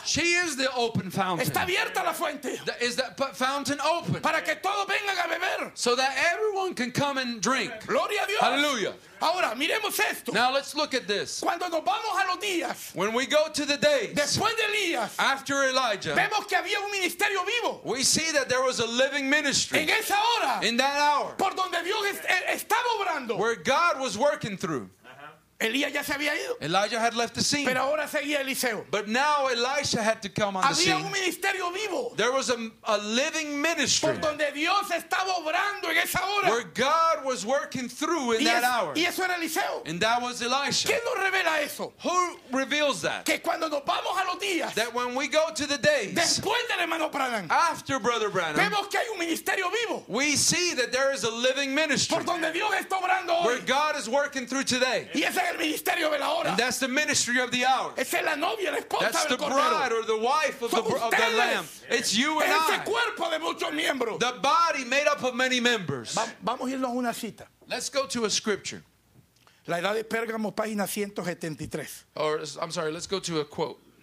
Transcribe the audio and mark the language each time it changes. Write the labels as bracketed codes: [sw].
[en] She is the open fountain. [es] Está abierta la fuente. [en] Is that fountain open? [es] Para que todos vengan a beber. [en] So that everyone can come and drink. [es] Gloria a Dios. [en] Hallelujah. [es] Ahora miremos esto. [en] Now let's look at this. [es] Cuando nos vamos a los días. [en] When we go to the days. [es] Después de Elías. [en] After Elijah. [es] Vemos que había un ministerio vivo. [en] We see that there was a living ministry. [es] En esa hora. [en] In that hour. [es] Por donde Dios estaba obrando. [en] Where God was working through. [es] Elías ya se había ido. [en] Elijah had left the scene. [es] Pero ahora seguía Eliseo. [en] But now Elisha had to come on [es] había [en] the scene. [es] Había un ministerio vivo. [en] There was a living ministry. [es] Por donde Dios estaba obrando en esa hora. [en] Where God was working through in that hour. [es] Y eso era Eliseo. [en] And that was Elisha. [es] ¿Quién nos revela eso? [en] Who reveals that? [es] Que cuando nos vamos a los días. [en] That when we go to the days. [es] Después del hermano Branham. [en] After Brother Branham. [es] Vemos que hay un ministerio vivo. [en] We see that there is a living ministry. [es] Por donde Dios está obrando hoy. [en] Where God is working through today. [es] Y ese el ministerio de la hora. [en] And that's the ministry of the hour. [es] Esa es la novia, la esposa, [en] that's [es] del [en] the [es] cordero. [en] Bride or the wife of, of the Lamb. Yeah. It's you and [es] ese [en] I. [es] Cuerpo de muchos miembros. [en] The body made up of many members. [es] Vamos a irnos a una cita. [en] Let's go to a scripture. [es] La edad de Pérgamo, página 173. [en] Or, I'm sorry, let's go to a quote.